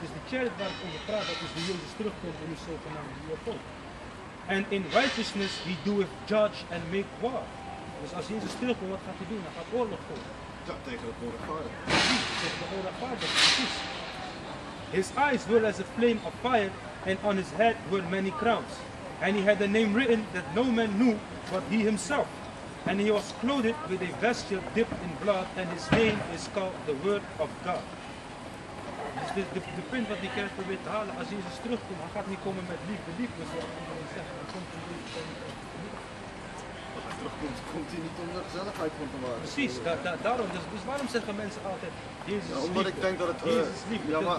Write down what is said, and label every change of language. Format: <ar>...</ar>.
<nl>Dus de chariot waar ik over praat, dat is de Jezus terugkomt in de zogenaamde UFO.</nl> <en>En in righteousness he doeth judge and make war.</en> <nl>Dus als Jezus terugkomt, wat gaat hij doen? Hij gaat oorlog voeren. Ja, tegen de onrechtvaardigen. Tegen de onrechtvaardigen, precies.</nl> <en>His eyes were as a flame of fire, and on his head were many crowns. And he had a name written that no man knew but he himself. And he was clothed with a vesture dipped in blood, and his name is called the Word of God.</en> <nl>Dus de punt wat die kerk probeert te halen, als Jezus terugkomt, hij gaat niet komen met liefde. Liefde, zoals ik al zeg, hij komt in deze koninkrijk. Als hij terugkomt, komt hij niet om de gezelligheid van te maken. Precies, daarom. Dus waarom zeggen mensen altijd, Jezus liefde? Omdat ik denk dat het... Jezus liefde.</nl>